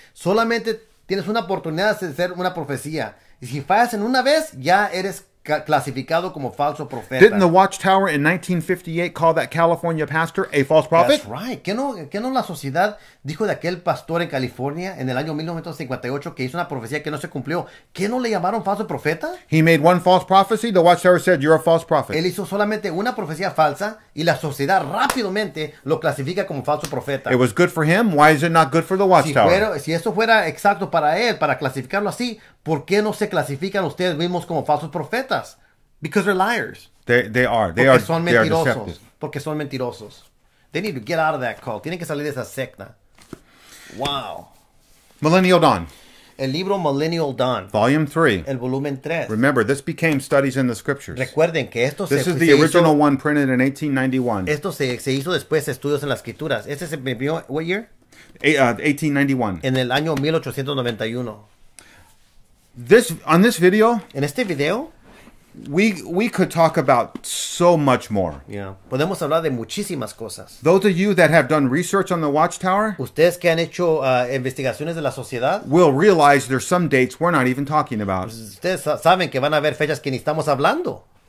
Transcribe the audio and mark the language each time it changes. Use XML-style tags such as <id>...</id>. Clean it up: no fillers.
<es>Solamente tienes una oportunidad de ser una profecía. Y si fallas en una vez, ya eres clasificado como falso profeta.</es> <en>Didn't the Watchtower in 1958 call that California pastor a false prophet? That's right.</en> <es>¿Qué no la sociedad dijo de aquel pastor en California en el año 1958 que hizo una profecía que no se cumplió? ¿Qué no le llamaron falso profeta?</es> <en>He made one false prophecy. The Watchtower said, you're a false prophet.</en> <es>Él hizo solamente una profecía falsa y la sociedad rápidamente lo clasifica como falso profeta.</es> <en>It was good for him. Why is it not good for the Watchtower?</en> <es>Si eso fuera exacto para él, para clasificarlo así, ¿por qué no se clasifican ustedes mismos como falsos profetas?</es> <en>Because they're liars. They are. They</en> <es>Porque son mentirosos.</es> <en>They are deceptive.</en> <es>Porque son mentirosos.</es> <en>They need to get out of that cult.</en> <es>Tienen que salir de esa secta. Wow.</es> <en>Millennial Dawn.</en> <es>El libro Millennial Dawn.</es> <en>Volume 3.</en> <es>El volumen 3.</es> <en>Remember, this became studies in the scriptures.</en> <es>Recuerden que esto</es> <en>this</en> <es>se hizo...</es> <en>This is the original one printed in 1891.</en> <es>Esto se hizo después de estudios en las escrituras. Este se imprimió...</es> <en>What year? 1891.</en> <es>En el año 1891.</es> <en>On this video, we could talk about so much more.</en> <es>Yeah, podemos hablar de muchísimas cosas.</es> <en>Those of you that have done research on the Watchtower,</en> <es>ustedes que han hecho investigaciones de la sociedad,</es> <en>will realize there's some dates we're not even talking about.</en> <es>Ustedes saben que van a haber fechas que ni estamos hablando.</es>